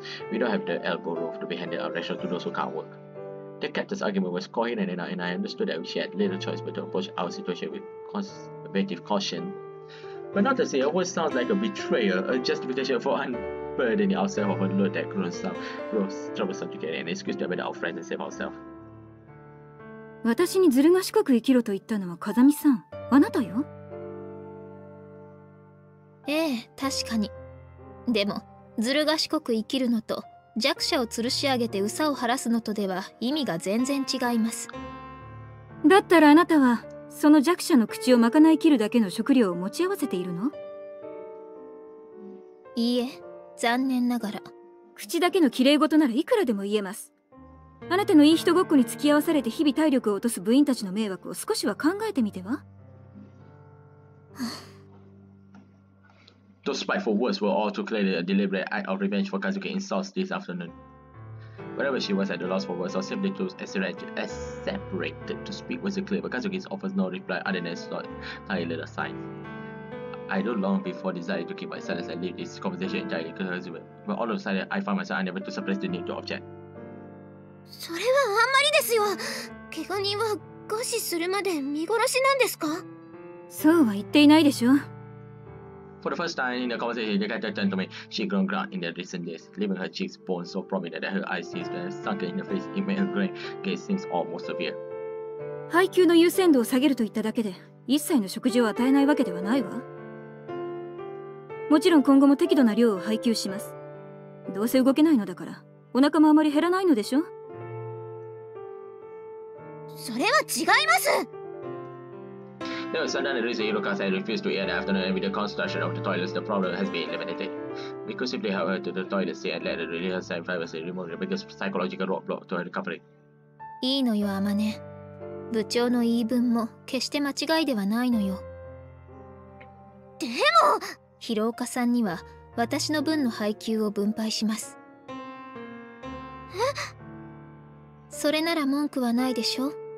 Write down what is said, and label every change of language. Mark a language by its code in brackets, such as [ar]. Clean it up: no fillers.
[en] We don't have the elbow room to be handed a ration to those who can't work. The captain's argument was coherent enough, and I understood that she had little choice but to approach our situation with conservative caution. But not to say it always sounds like a betrayal, a justification for unburdening ourselves of a load that grows troublesome to carry, and excuse to abandon our friends and save ourselves. [ja] 私にずる賢く生きろと言ったのは風見さん、あなたよ。ええ、確かに。でもずる賢く生きるのと弱者を吊るし上げて憂さを晴らすのとでは意味が全然違います。だったらあなたはその弱者の口をまかないきるだけの食料を持ち合わせているの？いいえ、残念ながら。口だけの綺麗事ならいくらでも言えます。あなたのいい人ごっこに付き合わされて日々体力を落とす部員たちの迷惑を少しは考えてみては？ [en] Those spiteful words were all too clearly a deliberate act of revenge for Kazuki's insults this afternoon. Whenever she was at a loss for words or simply too exasperated to speak, was clear, but Kazuki offers no reply other than a tiny little sigh. I don't long before desire to keep my silence and leave this conversation entirely to Kazuki, but all of a sudden I find myself unable to suppress the need to object. [ja] それはあんまりですよ。怪我人は餓死するまで見殺しなんですか？そうは言っていないでしょ。 [en] For the first time in the conversation, the character turned to me. She had grown gray in the recent days, leaving her cheeks bones so prominent that her eyes seemed sunken in her face. It made her gray gaze seem almost severe. [ja] 配給の優先度を下げると言っただけで、一切の食事を与えないわけではないわ。もちろん今後も適度な量を配給します。どうせ動けないのだから、お腹もあまり減らないのでしょ？それは違います！ [en] There was suddenly a reason Iruka said refused to eat in the afternoon, and with the construction of the toilets, the problem has been eliminated. We could simply help her to the toilet seat and let her release herself in privacy, removing the biggest psychological roadblock to her recovery. [ja] いいのよ、アマネ。部長の言い分も決して間違いではないのよ。でも！ヒロオカさんには私の分の配給を分配します。え？それなら文句はないでしょ？